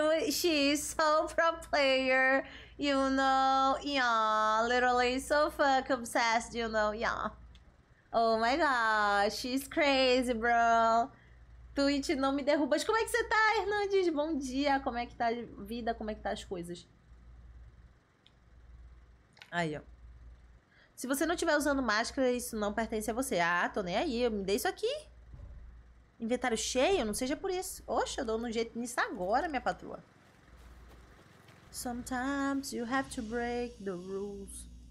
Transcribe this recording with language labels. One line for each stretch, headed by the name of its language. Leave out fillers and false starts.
English: She is so pro player, you know, yeah, literally so fuck obsessed, you know, yeah. Oh my gosh, she's crazy, bro.
Portuguese: Twitch não me derruba. Como é que você tá, Hernandes? Bom dia, como é que tá a vida, como é que tá as coisas? Aí, ó. Se você não estiver usando máscara, isso não pertence a você. Ah, tô nem aí, eu me dei isso aqui. Inventário cheio? Não seja por isso. Oxe, eu dou um jeito nisso agora, minha patroa.
English: Sometimes you have to break the rules.